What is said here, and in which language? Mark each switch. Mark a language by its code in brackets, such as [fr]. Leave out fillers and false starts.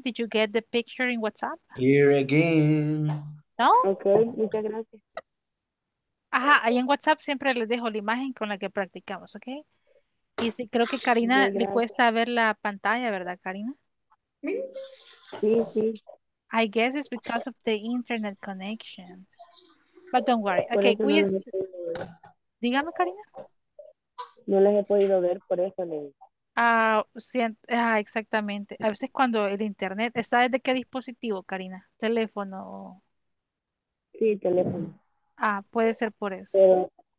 [en] Did you get the picture in WhatsApp? Here again. No? [es] Okay, muchas gracias. Ajá, ahí en WhatsApp siempre les dejo la imagen con la que practicamos, okay? Y sí, creo que Karina le cuesta ver la pantalla, ¿verdad, Karina? Sí, sí. [en] I guess it's because of the internet connection. But don't worry. Okay, quiz. Dígame, Karina. [es] No les he podido ver, por eso le. Ah, sí, exactamente. A veces cuando el internet. ¿Está desde qué dispositivo, Karina? ¿Teléfono? Sí, teléfono. Ah, puede ser por eso.